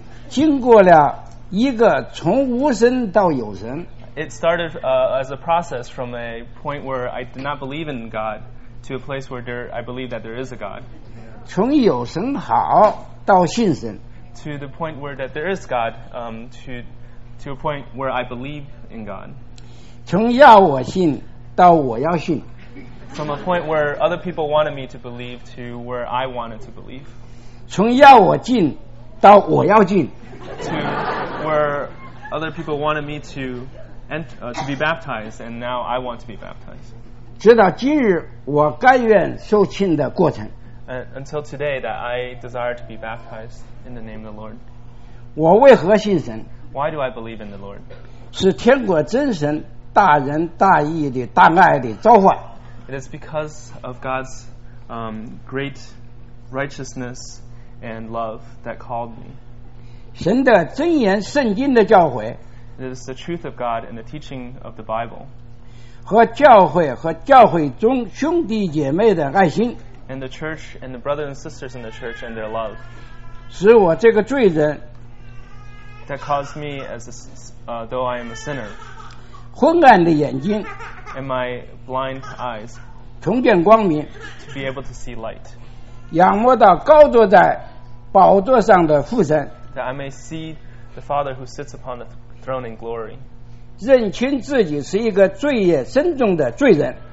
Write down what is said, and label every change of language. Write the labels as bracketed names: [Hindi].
[Chinese] 经过了一个从无神到有神。 [English] It started as a process from a point where I did not believe in God to a place where I believe that there is a God. [Chinese] 从有神好到信神。 [English] To the point where that there is God, to a point where I believe in God. [Chinese] 从要我信到我要信。 [English] From a point where other people wanted me to believe to where I wanted to believe. [Chinese] 从要我进到我要进。 [English] To where other people wanted me to to be baptized, and now I want to be baptized. [Chinese] 直到今日，我甘愿受浸的过程。 [English] Until today, that I desire to be baptized in the name of the Lord. [Chinese] 我为何信神？ [English] Why do I believe in the Lord? [Chinese] 是天国真神大仁大义的大爱的召唤。 [English] It is because of God's great righteousness and love that called me. [Chinese] 神的真言圣经的教诲。 [English] It is the truth of God and the teaching of the Bible. [Chinese] 和教会和教会中兄弟姐妹的爱心。 [English] And the church and the brothers and sisters in the church and their love. [Chinese] 使我这个罪人 [English] that caused me as a, though I am a sinner [Chinese] 昏暗的眼睛 [English] and my blind eyes [Chinese] 重见光明 [English] to be able to see light [Chinese] 仰慕到高坐在宝座上的父神 [English] that I may see the Father who sits upon the throne in glory [Chinese] 认清自己是一个罪业深重的罪人